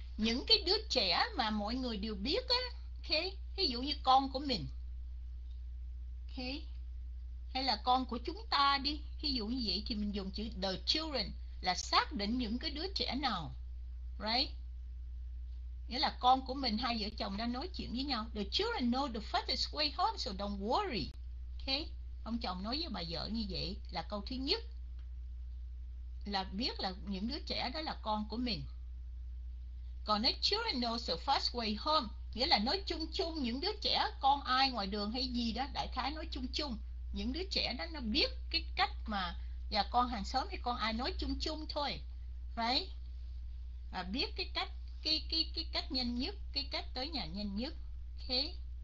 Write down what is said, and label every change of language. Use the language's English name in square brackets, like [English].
[Vietnamese] Những cái đứa trẻ mà mọi người đều biết á, okay. Ví dụ như con của mình. Okay. hay là con của chúng ta đi. Ví dụ như vậy thì mình dùng chữ [English] the children [Vietnamese] là xác định những cái đứa trẻ nào. Right? Nghĩa là con của mình, hai vợ chồng đang nói chuyện với nhau. [English] The children know the fastest way home, so don't worry. Okay? [Vietnamese] Ông chồng nói với bà vợ như vậy là câu thứ nhất, là biết là những đứa trẻ đó là con của mình. Còn nói [English] children know the fast way home, [Vietnamese] nghĩa là nói chung chung những đứa trẻ, con ai ngoài đường hay gì đó, đại khái nói chung chung những đứa trẻ đó nó biết cái cách mà, và con hàng xóm hay con ai nói chung chung thôi, phải và biết cái cách, cái cách nhanh nhất, cái cách tới nhà nhanh nhất. Okay.